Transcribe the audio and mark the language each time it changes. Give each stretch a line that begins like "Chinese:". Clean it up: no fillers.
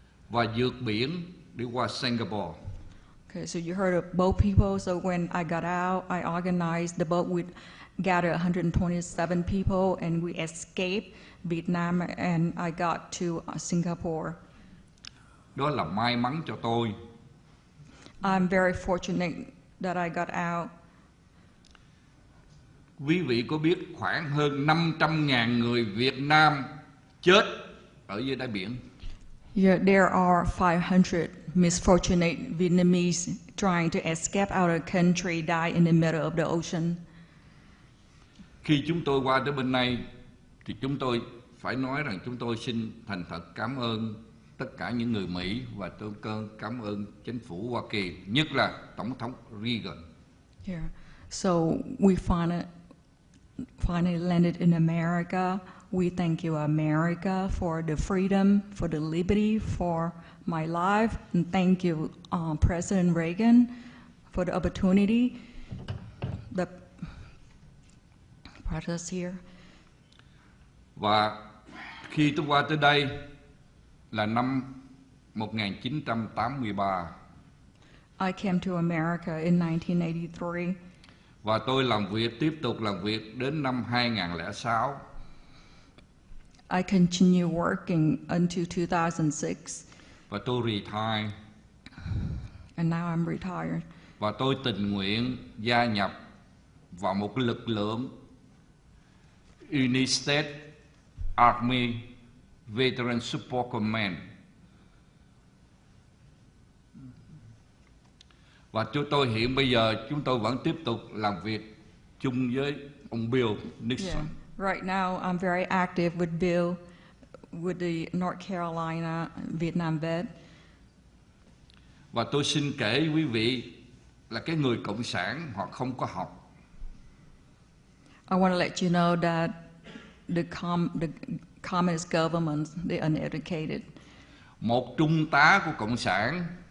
Vietnamese: Và vượt biển đi qua Singapore.
English: Okay, so you heard of boat people. So when I got out, I organized the boat with gathered 127 people and we escaped Vietnam and I got to Singapore.
Vietnamese: Đó là may mắn cho tôi.
English: I'm very fortunate that I got out.
Vietnamese: Quý vị có biết khoảng hơn 500,000 người Việt Nam chết ở dưới đáy biển?
English: Yeah, there are 500 misfortunate Vietnamese trying to escape out of country, die in the middle of the ocean.
Vietnamese: Khi chúng tôi qua tới bên này, thì chúng tôi phải nói rằng chúng tôi xin thành thật cảm ơn tất cả những người Mỹ và tôi cảm ơn chính phủ Hoa Kỳ, nhất là Tổng thống Reagan.
English: Yeah. So we finally landed in America. We thank you, America, for the freedom, for the liberty, for my life. And thank you, President Reagan, for the opportunity. The process here.
Vietnamese: Và khi tôi qua tới đây là năm 1983.
English: I came to America in 1983.
Vietnamese: Và tôi làm việc, tiếp tục làm việc đến năm 2006.
English: I continue working until 2006.
Vietnamese: Và tôi retire.
English: And now I'm retired.
Vietnamese: Và tôi tình nguyện gia nhập vào một lực lượng United States Army Veteran Support Command. Và chúng tôi hiện bây giờ chúng tôi vẫn tiếp tục làm việc chung với ông Bill Nixon.
English: Yeah. Right now, I'm very active with Bill, with the North Carolina Vietnam vet.
Vietnamese: Và tôi xin kể quý vị là cái người cộng sản họ không có học.
English: I want to let you know that the communist government, they are uneducated.
Vietnamese: Một trung tá của cộng sản.